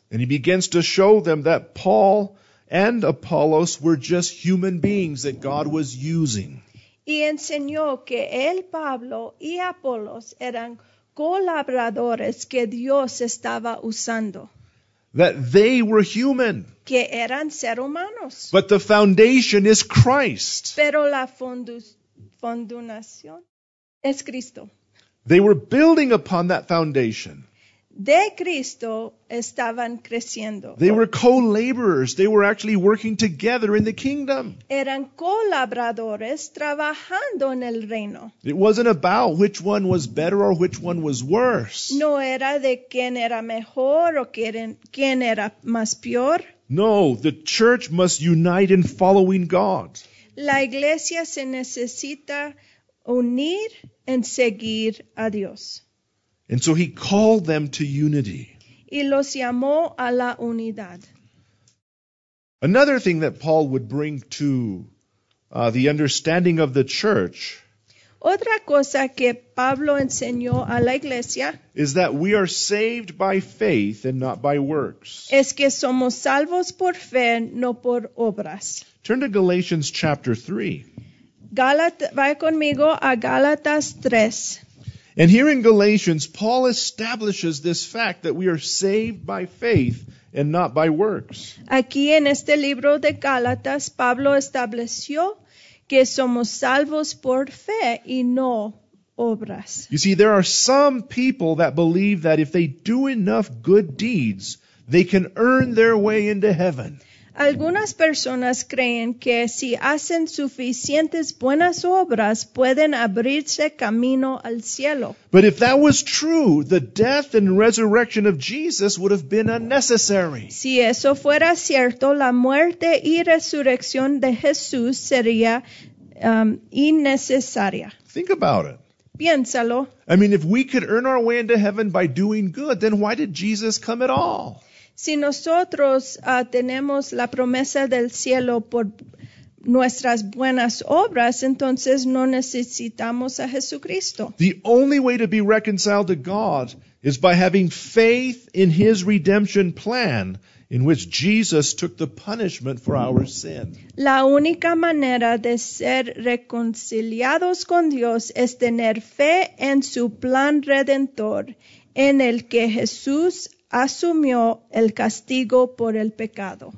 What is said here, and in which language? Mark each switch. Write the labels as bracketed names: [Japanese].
[English] And he begins to show them that Paul and Apollos were just human beings that God was using. [Spanish] Y enseñó que él, Pablo, y Apollos eran colaboradores que Dios estaba usando. [English] That they were human. [Spanish] Que eran ser humanos. [English] But the foundation is Christ. [Spanish] Pero la fundación es Cristo. [English] They were building upon that foundation. [Spanish] De Cristo estaban creciendo. [English] They were co-laborers. They were actually working together in the kingdom. [Spanish] Eran colaboradores trabajando en el reino. [English] It wasn't about which one was better or which one was worse. [Spanish] No era de quién era mejor o quién era más peor. [English] No, the church must unite in following God. [Spanish] La iglesia se necesita unir en seguir a Dios. [English] And so he called them to unity. [Spanish] Y los llamó a la unidad. [English] Another thing that Paul would bring to the understanding of the church. [Spanish] Otra cosa que Pablo enseñó a la iglesia. [English] Is that we are saved by faith and not by works. [Spanish] Es que somos salvos por fe, no por obras. [English] Turn to Galatians chapter 3. [Spanish] Vaya conmigo a Gálatas 3. [English] And here in Galatians, Paul establishes this fact that we are saved by faith and not by works. [Spanish] Aquí en este libro de Gálatas, Pablo estableció que somos salvos por fe y no obras. [English] You see, there are some people that believe that if they do enough good deeds, they can earn their way into heaven. [Spanish] Algunas personas creen que si hacen suficientes buenas obras, pueden abrirse camino al cielo. [English] But if that was true, the death and resurrection of Jesus would have been unnecessary. [Spanish] Si eso fuera cierto, la muerte y resurrección de Jesús sería innecesaria. [English] Think about it. [Spanish] Piénsalo. [English] I mean, if we could earn our way into heaven by doing good, then why did Jesus come at all? [Spanish] si nosotros tenemos la promesa del cielo por nuestras buenas obras, entonces no necesitamos a Jesucristo. [English] The only way to be reconciled to God is by having faith in His redemption plan, in which Jesus took the punishment for our sin. [Spanish] La única manera de ser reconciliados con Dios es tener fe en su plan redentor, en el que Jesús asumió el castigo por el pecado.